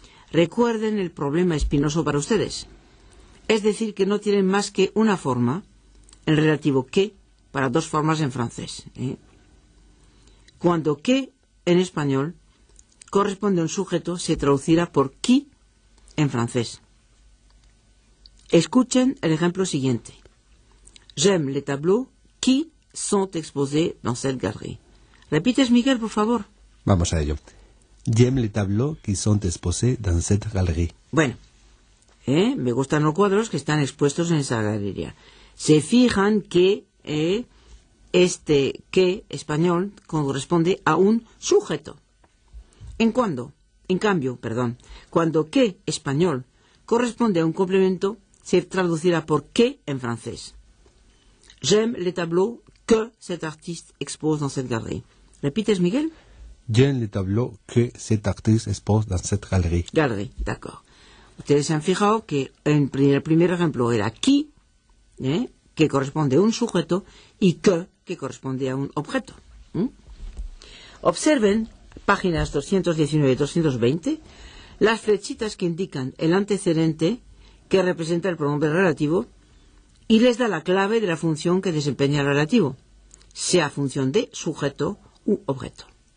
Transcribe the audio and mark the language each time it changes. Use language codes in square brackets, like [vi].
[es] Recuerden el problema espinoso para ustedes. Es decir, que no tienen más que una forma, el relativo que, para dos formas en francés. cuando qué en español corresponde a un sujeto se traducirá por qui en francés. Escuchen el ejemplo siguiente. [fr] J'aime les tableaux qui sont exposés dans cette galerie. [es] Repites, Miguel, por favor. Vamos a ello. [fr] J'aime les tableaux qui sont exposés dans cette galerie. [es] Bueno, me gustan los cuadros que están expuestos en esa galería. Se fijan que este que español corresponde a un sujeto. En cambio, cuando que español corresponde a un complemento, se traducirá por qué en francés. [fr] J'aime les tableaux que cet artiste expose dans cette galerie. [es] ¿Repites, Miguel? [fr] J'aime les tableaux que cet artiste expose dans cette galerie. Galerie, d'accord. [es] Ustedes se han fijado que en el primer ejemplo era qui, que corresponde a un sujeto, y que corresponde a un objeto. Observen, páginas 219 y 220, las flechitas que indican el antecedente que representa el pronombre relativo y les da la clave de la función que desempeña el relativo, sea función de sujeto u objeto.